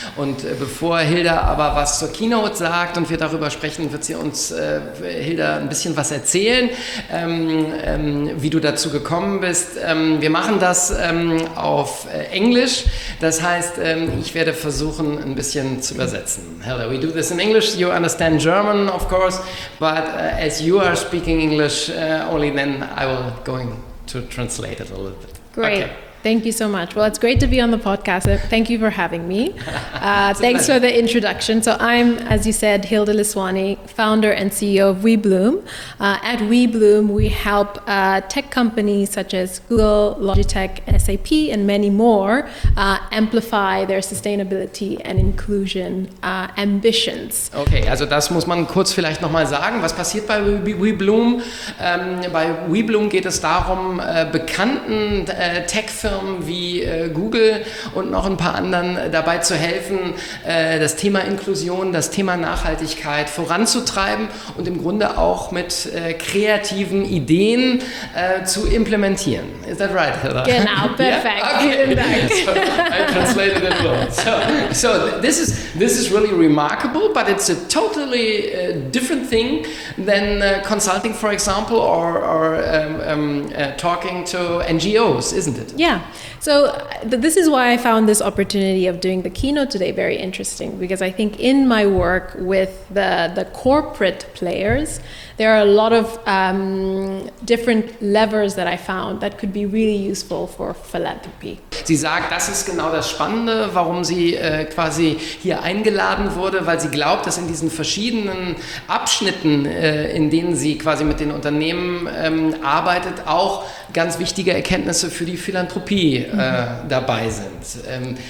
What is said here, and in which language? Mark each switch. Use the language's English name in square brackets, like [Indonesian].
[German] Und bevor Hilda aber was zur Keynote sagt und wir darüber sprechen, wird sie uns, Hilda, ein bisschen was erzählen, wie du dazu gekommen bist. Wir machen das auf Englisch. Das heißt, ich werde versuchen, ein bisschen zu übersetzen. [English] Hilda, we do this in English. You understand German, of course, but as you are speaking English only, then I will going to translate it a little bit. Great. Okay. Thank you so much. Well, it's great to be on the podcast. Thank you for having me. thanks for the introduction. So I'm, as you said, Hilda Liswani, founder and CEO of WeBloom. At WeBloom, we help tech companies such as Google, Logitech, SAP, and many more amplify their sustainability and inclusion ambitions. [German] Okay, also das muss man kurz vielleicht nochmal sagen. Was passiert bei WeBloom? Bei WeBloom geht es darum, bekannten Tech-Firmen wie Google und noch ein paar anderen dabei zu helfen, das Thema Inklusion, das Thema Nachhaltigkeit voranzutreiben und im Grunde auch mit kreativen Ideen zu implementieren. [English] Is that right, Hilda? [German] Genau, perfekt. [English] Yeah? Okay. [German] Vielen Dank. [English] So, I translated it well. So this is really remarkable, but it's a totally different thing than consulting, for example, or talking to NGOs, isn't it? Yeah. So this is why I found this opportunity of doing the keynote today very interesting, because I think in my work with the corporate players, there are a lot of different levers that I found that could be really useful for philanthropy. [German] Sie sagt, das ist genau das Spannende, warum sie quasi hier eingeladen wurde, weil sie glaubt, dass in diesen verschiedenen Abschnitten, in denen sie quasi mit den Unternehmen arbeitet, auch ganz wichtige Erkenntnisse für die Philanthropie dabei sind.